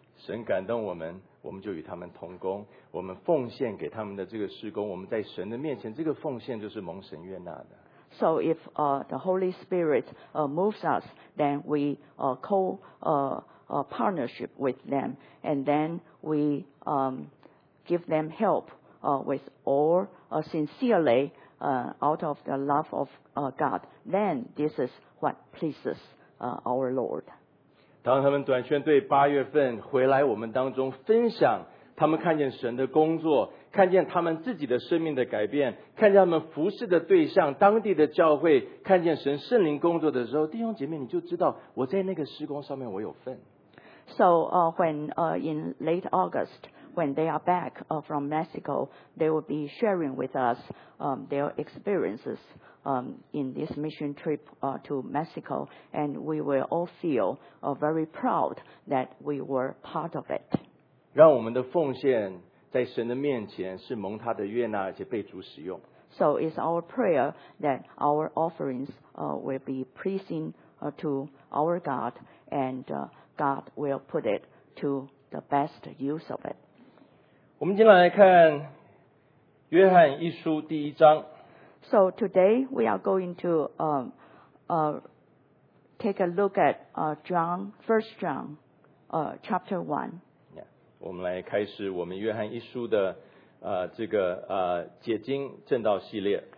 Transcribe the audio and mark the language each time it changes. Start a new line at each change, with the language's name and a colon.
Chinese: 神感动我们，我们就与他们同工，我们奉献给他们的这个事工，我们在神的面前，这个奉献就是蒙神悦纳的。
English: So if the Holy Spirit moves us, then we partnership with them, and then we give them help with all sincerely out of the love of God. Then this is what pleases our Lord.
Chinese: 当他们短宣队八月份回来我们当中分享他们看见神的工作，看见他们自己的生命的改变，看见他们服侍的对象当地的教会，看见神圣灵工作的时候，弟兄姐妹你就知道我在那个事工上面我有份。
English: So when in late August when they are back from Mexico, they will be sharing with us their experiencesin this mission trip to Mexico, and we will all feel very proud that we were part of it.
Chinese: 让我们的奉献在神的面前是蒙他的悦纳，而且被主使用。
English: So it's our prayer that our offerings will be pleasing to our God, and God will put it to the best use of it.
Chinese: 我们今天来看约翰一书第一章。
English: So today we are going to take a look at John, 1 John, chapter 1.
Chinese: Yeah, 我们来开始我们约翰一书的这个解经正道系列。